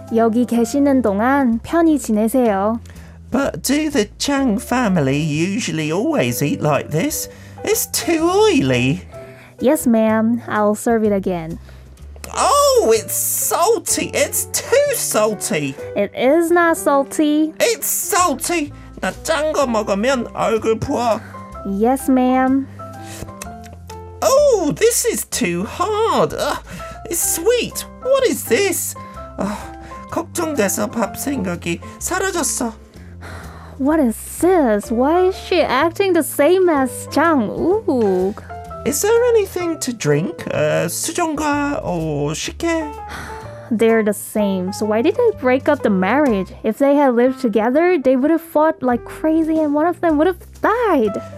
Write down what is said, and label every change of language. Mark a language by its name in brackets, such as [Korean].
[Korean] 여기 계시는 동안 편히 지내세요. [English] But do the Chang family usually always eat like this? It's too oily. Yes, ma'am. I'll serve it again. Oh, it's salty. It's too salty. It is not salty. It's salty. [Korean] 나 짠 거 먹으면 얼굴 부어. [English] Yes, ma'am. Oh, this is too hard. It's sweet. What is this? [Korean] 걱정돼서 밥 생각이 사라졌어. [English] What is this? Why is she acting the same as Chang? Ooh. Is there anything to drink? 수정과 or 식혜? They're the same. So why did they break up the marriage? If they had lived together, they would have fought like crazy and one of them would have died.